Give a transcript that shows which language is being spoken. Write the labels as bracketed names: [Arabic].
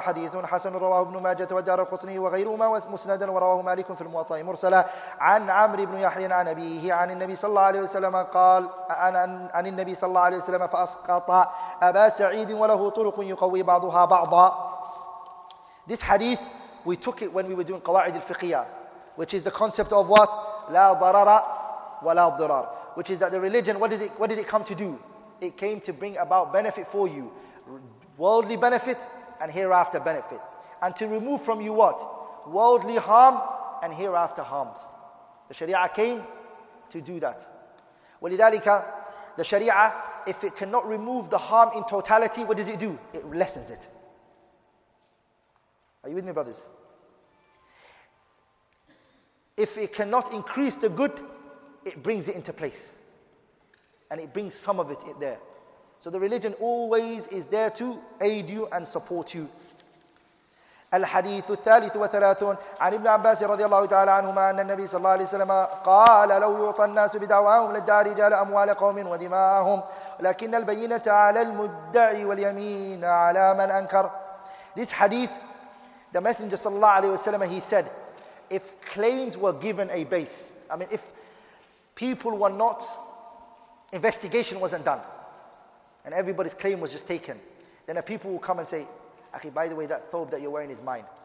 [Arabic] حديث حسن رواه ابن ماجة والدارقطني وغيرهما مسندا ورواه مالك في الموطأ مرسلا. عن عمرو بن يحيى عن أبيه عن النبي صلى الله عليه وسلم قال عن النبي صلى الله عليه وسلم فأسقط أبا سعيد وله طرق يقوي بعضها بعضا. [English] This hadith, we took it when we were doing قواعد الفقهية, which is the concept of what? لا ضرر وَلَا الضرار, which is that the religion, what did it come to do? It came to bring about benefit for you. worldly benefit and hereafter benefits, and to remove from you what? Worldly harm and hereafter harms. The Sharia came to do that. ولذلك, the Sharia, if it cannot remove the harm in totality, what does it do? It lessens it. Are you with me, brothers? If it cannot increase the good, it brings it into place. And it brings some of it there. So the religion always is there to aid you and support you. [Arabic] الحديث الثالث وثلاثون عن ابن عباس رضي الله تعالى عنهما أن النبي صلى الله عليه وسلم قال لو يعطى الناس بدعواهم لدعا رجال أموال قوم ودماءهم لكن البينة على المدعي واليمين على من أنكر. [English] This hadith, the messenger صلى الله عليه وسلم, he said, if claims were given a base, I mean if people were not, investigation wasn't done and everybody's claim was just taken, then the people will come and say, Akhi, by the way, that thobe that you're wearing is mine.